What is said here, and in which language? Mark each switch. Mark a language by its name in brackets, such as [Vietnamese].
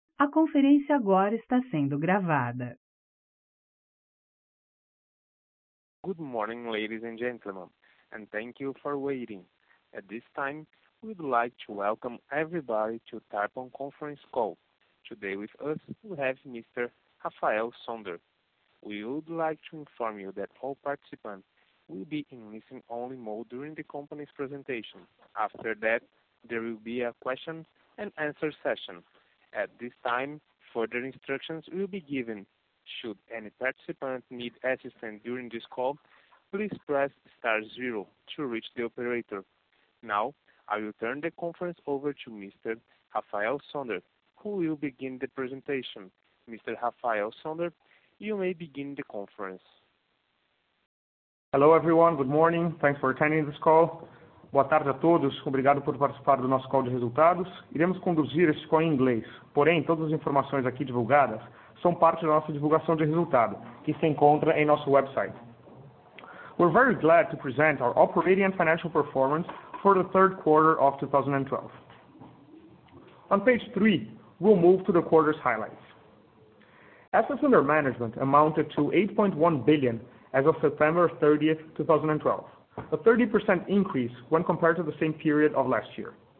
[Portuguese] A conferência agora está sendo gravada. [English] Good morning, ladies and gentlemen, and thank you for waiting. At this time, we'd like to welcome everybody to Tarpon conference call. Today with us, we have Mr. Rafael Sonder. We would like to inform you that all participants will be in listen-only mode during the company's presentation. After that, there will be a question and answer session. At this time, further instructions will be given. Should any participant need assistance during this call, please press star zero to reach the operator. Now, I will turn the conference over to Mr. Rafael Sonder, who will begin the presentation. Mr. Rafael Sonder, you may begin the conference. Hello, everyone. Good morning. Thanks for attending this call. [Portuguese] Boa tarde a todos. Obrigado por participar do nosso call de resultados. Iremos conduzir este call em inglês. Porém, todas as informações aqui divulgadas são parte da nossa divulgação de resultado, que se encontra em nosso website. [English] We're very glad to present our operating and financial performance for the third quarter of 2012. On page three, we'll move to the quarter's highlights. Assets under management amounted to 8.1 billion as of September 30th, 2012, a 30% increase when compared to the same period of last year.